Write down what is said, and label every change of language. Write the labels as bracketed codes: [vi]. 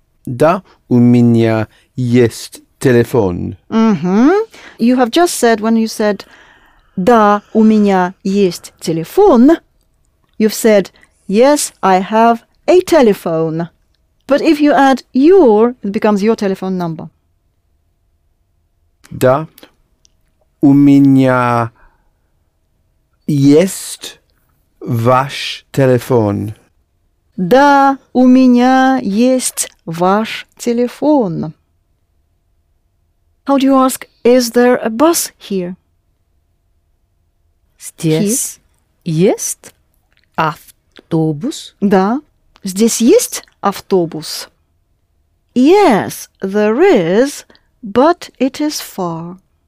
[ru] Да, у меня есть телефон. [en] Mm-hmm. You have just said, when you said, [ru] да, у меня есть телефон... [en] You've said, yes, I have a telephone. But if you add your, it becomes your telephone number. [ru] Да, у меня есть ваш телефон. Да, у меня есть ваш телефон. [en] How do you ask, is there a bus here? [ru] Здесь есть. Автобус? Да. Здесь есть автобус? [en] Yes, there is, but it is far.